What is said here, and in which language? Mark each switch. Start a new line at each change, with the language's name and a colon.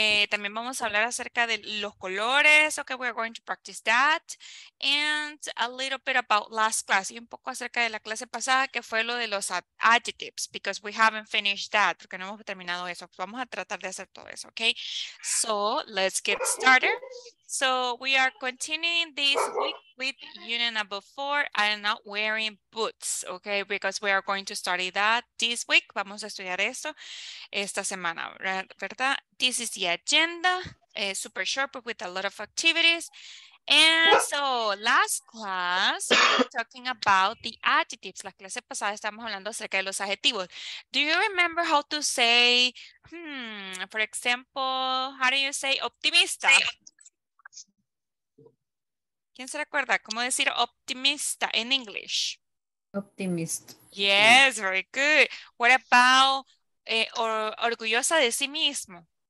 Spanish: También vamos a hablar acerca de los colores.
English: Okay, we're going to practice that. And a little bit about last class.
Spanish: Y un poco acerca de la clase pasada, que fue lo de los
English: adjectives. Because we haven't finished that.
Spanish: Porque no hemos terminado eso. Pues vamos a tratar de hacer todo eso, okay?
English: So, let's get started. So, we are continuing this week with unit number 4, I am not wearing boots, okay? Because we are going to study that this week.
Spanish: Vamos a estudiar eso esta semana, ¿verdad?
English: This is the agenda, super short, but with a lot of activities. And so, last class, we were talking about the adjectives.
Spanish: La clase pasada estábamos hablando acerca de los adjetivos.
English: Do you remember how to say, for example, how do you say optimista?
Spanish: ¿Quién se recuerda? ¿Cómo decir optimista
English: in English? Optimist. Yes, very good. What about
Spanish: orgullosa de sí mismo?